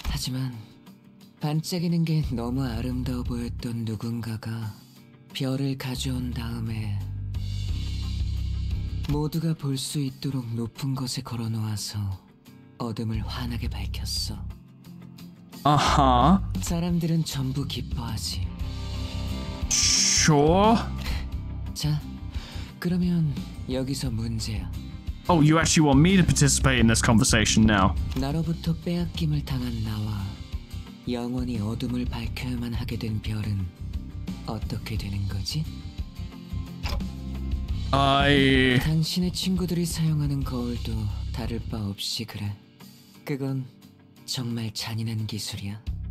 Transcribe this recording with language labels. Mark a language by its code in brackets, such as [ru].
[ko] 하지만 반짝이는 게 너무 아름다워 보였던 누군가가 별을 가져온 다음에 모두가 볼 수 있도록 높은 곳에 걸어놓아서 어둠을 환하게 밝혔어. 아하. 사람들은 전부 기뻐하지. [en] Sure. [ko] 자, 그러면 여기서 문제야. [en] Oh, you actually want me to participate in this conversation now? [ko] 나로부터 빼앗김을 당한 나와 영원히 어둠을 밝혀야만 하게 된 별은 어떻게 되는 거지? [en] I... [ko] 당신의 친구들이 사용하는 거울도 다를 바 없이 그래. 그건 정말 잔인한 기술이야.